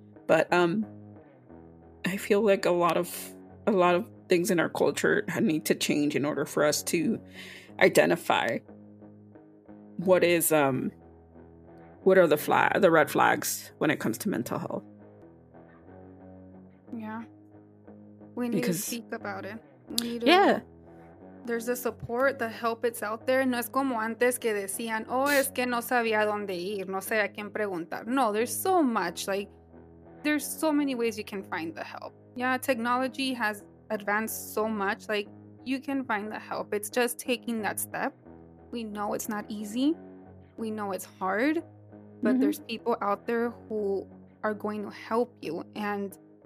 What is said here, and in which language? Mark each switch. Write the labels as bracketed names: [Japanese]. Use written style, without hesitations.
[English] But I feel like a lot of things in our culture need to change in order for us to identify what is what are the red flags when it comes to mental health. Yeah. We need to speak about it. There's the support, the help, it's out there. [Spanish] No es como antes que decían, oh, es que no sabía dónde ir, no sé a quién preguntar. [English] No, there's so much. Like, there's so many ways you can find the help. Yeah, technology has advanced so much. Like, you can find the help. It's just taking that step. We know it's not easy. We know it's hard. But there's people out there who are going to help you and